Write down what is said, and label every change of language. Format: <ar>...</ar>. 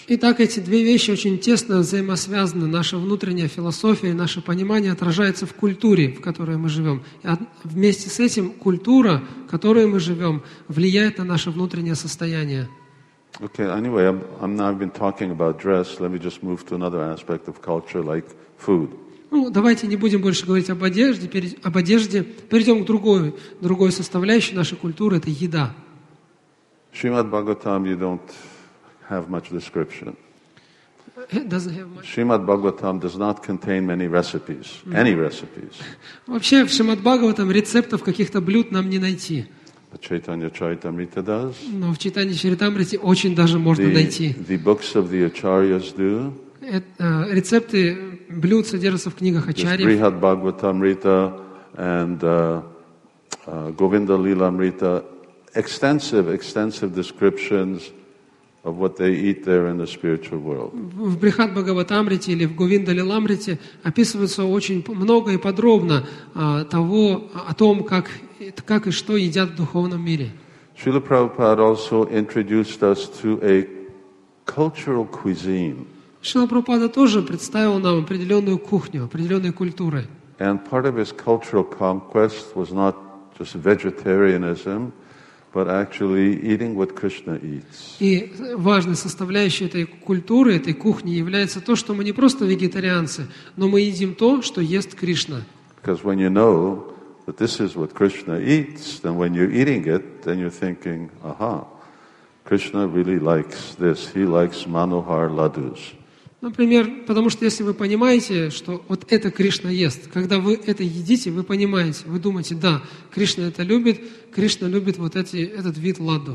<ru>Итак, эти две вещи очень тесно взаимосвязаны. Наша внутренняя философия и наше понимание отражается в культуре, в которой мы живем. И вместе с этим культура, в которой мы живем, влияет на наше внутреннее состояние.</ru> <en>Okay, anyway, I'm now been talking about dress. Let me just move to another aspect of culture, like food.</en> <ru>Ну, давайте не будем больше говорить об одежде. Перейдем к другой составляющей нашей культуры – это еда.</ru> <en>Shrimad Bhagavatam, you don't have much description. Shrimad Bhagavatam does not contain many recipes. Mm-hmm. Any recipes.</en> <ru>Вообще, в Шримад Бхагаватам рецептов каких-то блюд нам не найти.</ru> <en>But Chaitanya Charitamrita does.</en> <ru>Но в Чайтанья Чаритамрите очень даже можно найти.</ru> <en>The books of the Acharyas do.</en> <ru>Рецепты блюд содержатся в книгах Ачарьев. Брихат Бхагаватамрита and Говинда Лиламрита.</ru> <en>Extensive descriptions of what they eat there in the spiritual world.</en> <ru>В Брихат Бхагаватамрите или в Говинда Лиламрите описывается очень много и подробно того, о том, как и что едят в духовном мире.</ru> <en>Srila Prabhupada also introduced us to a cultural cuisine.</en> <ru>Srila Prabhupada тоже представил нам определенную кухню, определенные культуры.</ru> <en>And part of his cultural conquest was not just vegetarianism, but actually eating what Krishna eats.</en> <ru>И важной составляющей этой культуры, этой кухни является то, что мы не просто вегетарианцы, но мы едим то, что ест Кришна.</ru> <en>Because when you know that this is what Krishna eats, then when you're eating it, then you're thinking, aha, Krishna really likes this. He likes Manohar Ladus.</en> <ru>Например, потому что если вы понимаете, что вот это Кришна ест, когда вы это едите, вы понимаете, вы думаете, да, Кришна это любит, Кришна любит вот этот вид ладу.</ru>